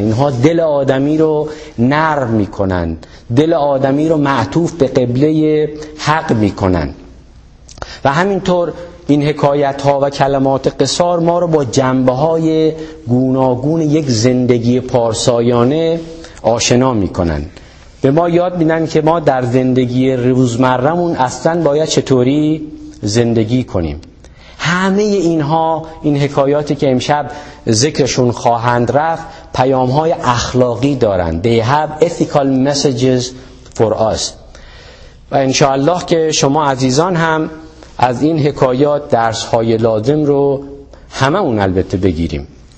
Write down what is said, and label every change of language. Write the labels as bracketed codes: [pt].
[fa] اینها دل آدمی رو نرم می کنند، دل آدمی رو معطوف به قبله حق می کنند، و همینطور این حکایت ها و کلمات قصار ما رو با جنبه های گوناگون یک زندگی پارسایانه آشنا می کنند، به ما یاد می دن که ما در زندگی روزمرمون اصلا باید چطوری زندگی کنیم. همه اینها، این حکایاتی که امشب ذکرشون خواهند رفت، پیام‌های اخلاقی دارند. [en] They have ethical messages for us. [fa] و انشاءالله که شما عزیزان هم از این حکایات درس‌های لازم رو همه اون البته بگیریم.